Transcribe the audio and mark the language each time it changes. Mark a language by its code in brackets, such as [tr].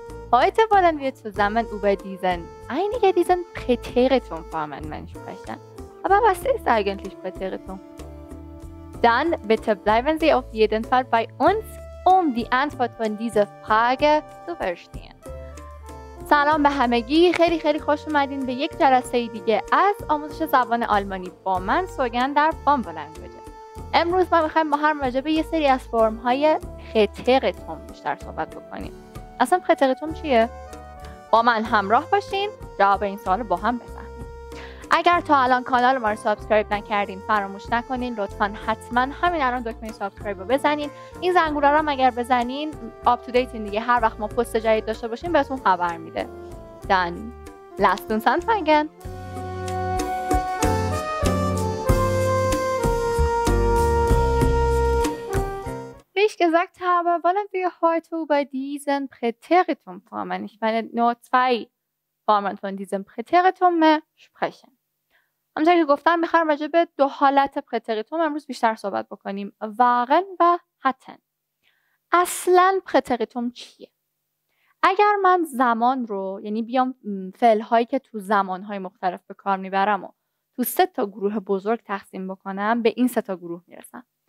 [de] Heute wollen wir zusammen über einige dieser Präteritumformen sprechen. Aber was ist eigentlich Präteritum? Dann bitte bleiben Sie auf jeden Fall bei uns, um die Antwort von dieser Frage zu verstehen. [fa] سلام به همگی، خیلی خیلی خوش اومدین به یک جلسه دیگه از آموزش زبان آلمانی با من سوگن در بامبلنگویجه. امروز ما میخواییم با هم راجع به یه سری از فرم های پرتریتوم بیشتر صحبت بکنیم. اصلا پرتریتوم چیه؟ با من همراه باشین، جواب این سوال رو با هم بفهمیم. اگر تا الان کانال ما رو سابسکرایب نکردین، فراموش نکنین، لطفاً حتما همین الان دکمه سابسکرایب رو بزنین. این زنگوله رو هم اگر بزنین، آپ تو دیتین دیگه هر وقت ما پست جدید داشته باشیم بهتون خبر میده. [de] دان، لاست اون سان فنگن. Wie ich gesagt habe, wollen wir heute über diesen Präteritumformen, ich meine nur zwei Formen von diesem Präteritum sprechen. [fa] همونطور که گفتم میخوام راجع به دو حالت پرتریتوم امروز بیشتر صحبت بکنیم، وارن و هتن. اصلا پرتریتوم چیه؟ اگر من زمان رو، یعنی بیام فعل‌هایی که تو زمان‌های مختلف به کار میبرم و تو سه تا گروه بزرگ تقسیم بکنم، به این سه تا گروه میرسم.